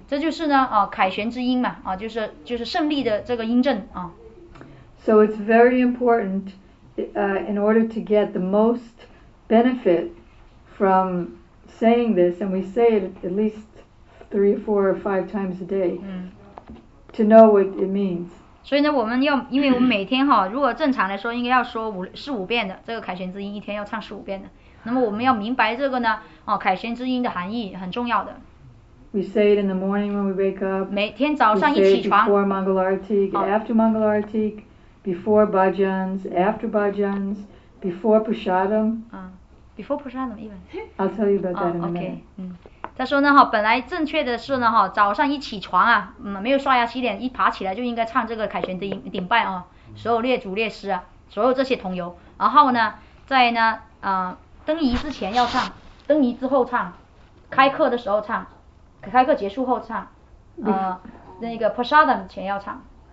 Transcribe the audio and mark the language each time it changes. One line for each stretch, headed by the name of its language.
Chinese: 这就是呢啊，凯旋之音嘛啊，就是胜利的这个音阵啊。
English: So it's very important, in order to get the most benefit from. Saying this, and we say it at least 3, 4, or 5 times a day, to know what it means.
Chinese: 所以呢，我们要，因为我们每天哈，如果正常来说，应该要说四五遍的这个凯旋之音，一天要唱四五遍的。那么我们要明白这个呢，哦，凯旋之音的含义很重要的。
English: We say it in the morning when we wake up.
Chinese: 每天早上一起床。
English: Before Mangal Arati, after Mangal Arati, before Bhajans, after Bhajans, before Prasadam. Before Prasadam, even. I'll tell you about that in a minute. Okay.
Chinese: 他说呢，本来正确的是呢，早上一起床啊，没有刷牙洗脸，一爬起来就应该唱这个凯旋之音顶拜啊，所有列祖列师啊，所有这些同游。然后呢，在呢，登仪之前要唱，登仪之后唱，开课的时候唱，开课结束后唱，那个 Prasadam 前要唱。